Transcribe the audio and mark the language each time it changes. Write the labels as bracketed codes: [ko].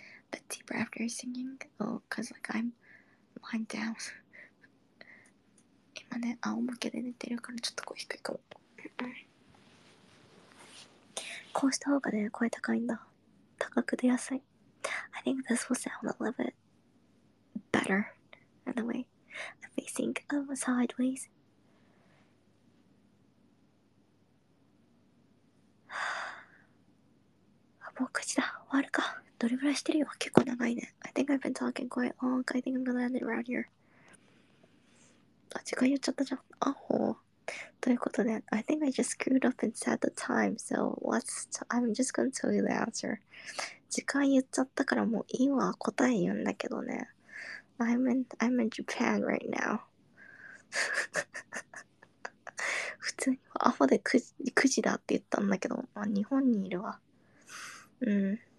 [en] But deeper after singing, oh, cause like I'm lying down. [ja] 今ね、仰向けで寝てるからちょっと声低いかも。こうした方がね、声高いんだ。高く出やすい。 [en] I think this will sound a little bit better. Anyway, I'm facing sideways. [ja] あ、もう口だ。終わるか。どれぐらいしてるよ。結構長いね。 [en] I think I've been talking quite long. I think I'm gonna end it around here. [ja] あ、時間言っちゃったじゃん。アホー。 [en] ということで、 I think I just screwed up and set the time, so I'm just gonna tell you the answer. [ja] 時間言っちゃったからもう今は答え言うんだけどね。 [en] I'm in Japan right now. [ja] 普通にアホで9時だって言ったんだけど、まあ、日本にいるわ。ね。